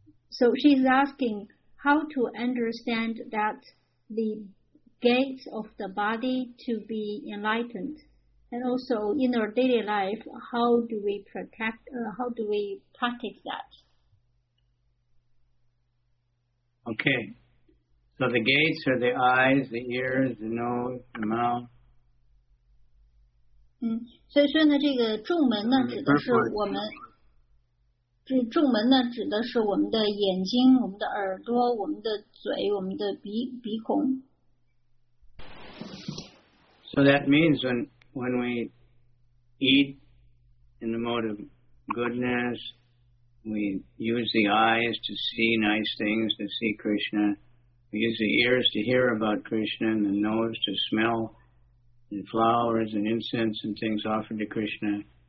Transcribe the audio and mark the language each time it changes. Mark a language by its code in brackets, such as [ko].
[en] So she's asking how to understand that the gates of the body to be enlightened, and also in our daily life, how do we protect, how do we practice that? Okay, so the gates are the eyes, the ears, the nose, the mouth. [zh] 所以呢，这个众门呢，指的是我们，这众门呢，指的是我们的眼睛、我们的耳朵、我们的嘴、我们的鼻孔。 [en] So that means when we eat in the mode of goodness, we use the eyes to see nice things, to see Krishna. We use the ears to hear about Krishna, and the nose to smell and flowers and incense and things offered to Krishna.